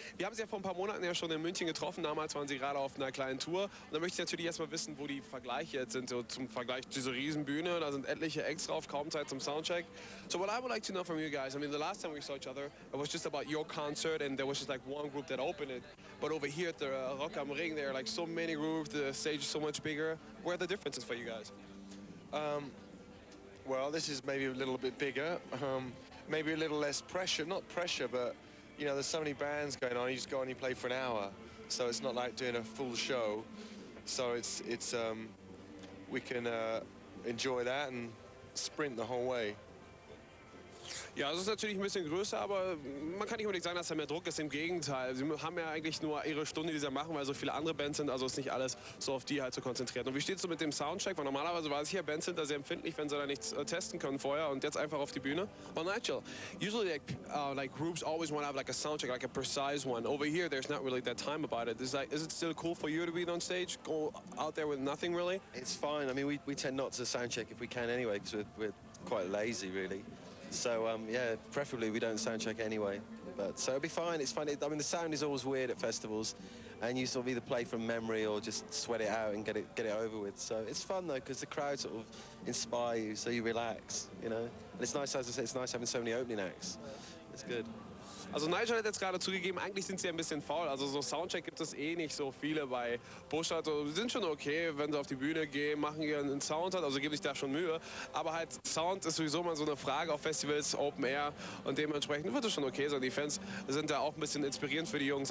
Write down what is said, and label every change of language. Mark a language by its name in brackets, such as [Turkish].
[German] Wir haben Sie ja vor ein paar Monaten ja schon in München getroffen. Damals waren Sie gerade auf einer kleinen Tour. Und da möchte ich natürlich erstmal wissen, wo die Vergleiche jetzt sind. So zum Vergleich diese Riesenbühne. Da sind etliche Acts drauf, kaum Zeit zum Soundcheck. [English] So what I would like to know from you guys, I mean, the last time we saw each other, it was just about your concert and there was just like one group that opened it. But over here at the Rock am Ring, there are like so many groups, the stage is so much bigger. Where are the differences for you guys? Well, this is maybe a little bit bigger. Maybe a little less pressure. Not pressure, but you know, there's so many bands going on, you just go and you play for an hour. So it's not like doing a full show. So it's we can enjoy that and sprint the whole way. [German] Ja, es ist natürlich ein bisschen größer, aber man kann nicht unbedingt sagen, dass da mehr Druck ist. Im Gegenteil, sie haben ja eigentlich nur ihre Stunde, die sie machen, weil so viele andere Bands sind, also ist nicht alles so auf die halt zu konzentrieren. Und wie steht es so mit dem Soundcheck? Weil normalerweise weiß ich ja, Bands sind da sehr empfindlich, wenn sie da nichts testen können vorher und jetzt einfach auf die Bühne. [English] Well, Nigel, usually like groups always want to have like a soundcheck, like a precise one. Over here, there's not really that time about it. Is it still cool for you to be on stage, go out there with nothing really? It's fine. I mean, we tend not to soundcheck if we can anyway, because we're quite lazy really. So yeah, preferably we don't sound check anyway, but so it'll be fine. It's funny, I mean, the sound is always weird at festivals and you sort of either play from memory or just sweat it out and get it over with. So it's fun though, because the crowd sort of inspire you, so you relax, you know. And it's nice, as I said, it's nice having so many opening acts. It's good. [German] Also Nigel hat jetzt gerade zugegeben, eigentlich sind sie ein bisschen faul. Also so Soundcheck gibt es eh nicht so viele bei Busch. Also sie sind schon okay, wenn sie auf die Bühne gehen, machen ihren Sound, also geben sich da schon Mühe. Aber halt Sound ist sowieso mal so eine Frage auf Festivals, Open Air. Und dementsprechend wird es schon okay sein. Die Fans sind da auch ein bisschen inspirierend für die Jungs.